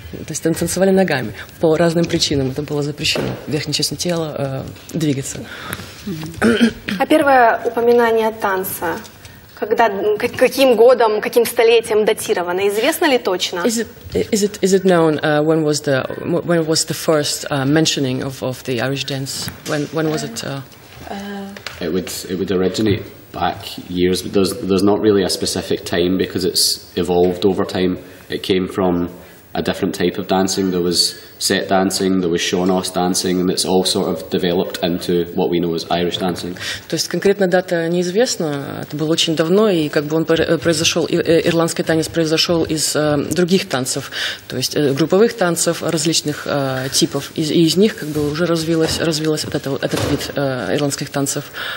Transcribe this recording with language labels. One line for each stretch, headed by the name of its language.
Russian: То есть танцевали ногами по разным причинам. Это было запрещено. Верхняя часть тела двигаться. А первое упоминание танца, когда, каким годом, каким столетием датировано, известно ли точно?
English: Is it known when was the first mentioning of the Irish dance? When was it? It would originate back years, but there's not really a specific time because it's evolved over time. It came from a different type of dancing. There was set dancing, there was Seanos dancing, and it's all sort of developed into what we know as Irish dancing.
Russian: То есть конкретная дата неизвестна. Это было очень давно, и как бы он произошел, ирландский танец произошел из других танцев, то есть групповых танцев различных типов. И из них как бы уже развилась этот вид ирландских танцев.